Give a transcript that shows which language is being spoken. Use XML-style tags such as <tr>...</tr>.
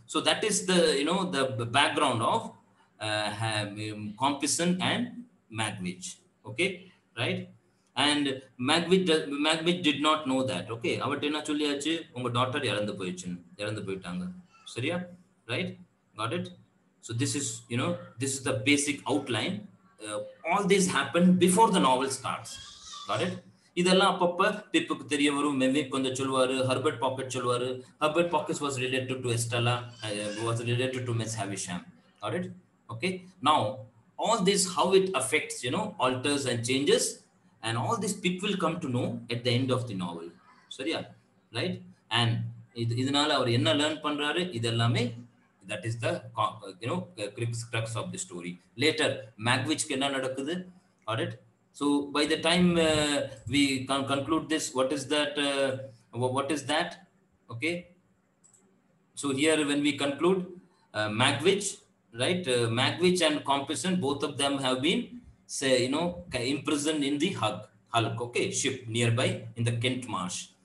<en>So that is the, you know, the background of Compeyson and Magwitch, okay, right? And Magwitch did not know that, okay,</en> <ta>avat enna solliyaachu, unga daughter irandu poichu seriya,</ta> <en>right? Got it? So this is, you know, this is the basic outline. All this happened before the novel starts. Got it?</en> <ta>இதெல்லாம் அப்பப்போ பிப்புக்கு தெரிய வரும், மெமிக் கொஞ்சம் சொல்லுவார், Herbert packet சொல்லுவார்.</ta> <en>Herbert Pocket was related to Estella, was related to Miss Havisham. Got it? Okay. Now all this how it affects, you know, alters and changes, and all this Pip will come to know at the end of the novel. சரியா, right? And</en> <ta>இதனால அவர் என்ன learn பண்றாரு, இதெல்லாமே</ta> <en>that is the, you know, crux of the story. Later Magwitch</en> <ta>kena nadakkudu,</ta> <en>got it? So by the time we can conclude this, what is that, what is that? Okay, so here when we conclude, Magwitch, right? Magwitch and Compeyson, both of them have been, say, you know, imprisoned in the hulk, okay, ship nearby in the Kent marsh.</en>